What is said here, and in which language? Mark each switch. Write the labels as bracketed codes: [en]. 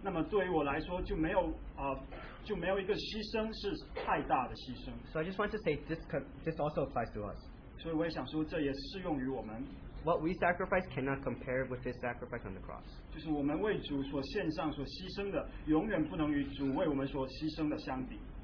[zh] 为什么呢？因为他说，如果基督耶稣是神为我而死，那么对于我来说就没有 就没有一个牺牲是太大的牺牲。 [en] So I just want to say this also applies to us. [zh] 所以我也想说，这也适用于我们。 [en] What we sacrifice cannot compare with his sacrifice on the cross. [zh] 就是我们为主所献上、所牺牲的，永远不能与主为我们所牺牲的相比。